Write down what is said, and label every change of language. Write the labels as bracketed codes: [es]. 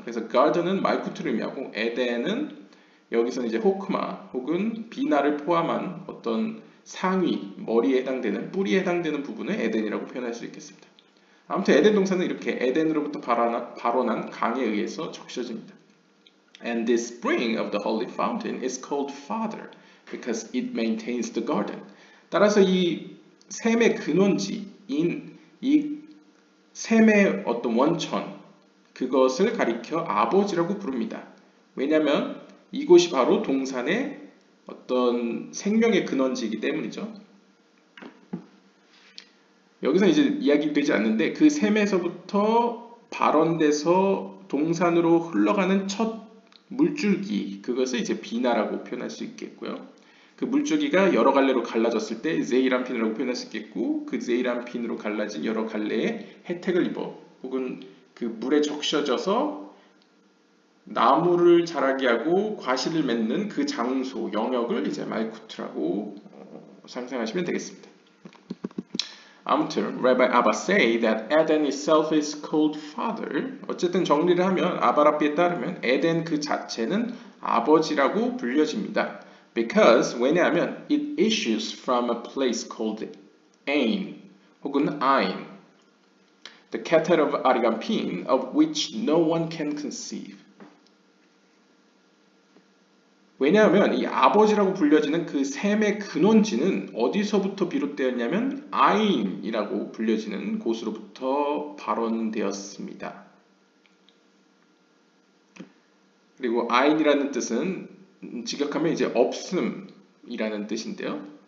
[ko] 그래서 garden은 말꿈틀을 의미하고 에덴은 여기서 이제 호크마 혹은 비나를 포함한 어떤 상위, 머리에 해당되는, 뿌리에 해당되는 부분을 에덴이라고 표현할 수 있겠습니다. 아무튼 에덴 동산은 이렇게 에덴으로부터 바로 난 강에 의해서 적셔집니다. [en] And the spring of the holy fountain is called Father because it maintains the garden. [ko] 따라서 이 샘의 근원지인 이 샘의 어떤 원천, 그것을 가리켜 아버지라고 부릅니다. 왜냐하면 이곳이 바로 동산의 어떤 생명의 근원지이기 때문이죠. 여기서 이제 이야기되지 않는데 그 샘에서부터 발원돼서 동산으로 흘러가는 첫 물줄기, 그것을 이제 비나라고 표현할 수 있겠고요. 그 물줄기가 여러 갈래로 갈라졌을 때 제이람핀이라고 표현할 수 있겠고, 그 제이람핀으로 갈라진 여러 갈래의 혜택을 입어 혹은 그 물에 적셔져서 나무를 자라게 하고 과실을 맺는 그 장소, 영역을 이제 말쿠트라고 상상하시면 되겠습니다. 아무튼, [en] Rabbi Abba say that Eden itself is called Father. [ko] 어쨌든 정리를 하면 아바라비에 따르면 에덴 그 자체는 아버지라고 불려집니다. [en] Because, [ko] 왜냐하면 [en] it issues from a place called Ain 혹은 Ain, the cattle of Arigampin of which no one can conceive. [ko] 왜냐하면 이 아버지라고 불려지는 그 샘의 근원지는 어디서부터 비롯되었냐면 아인이라고 불려지는 곳으로부터 발원되었습니다. 그리고 아인이라는 뜻은 직역하면 이제 없음이라는 뜻인데요.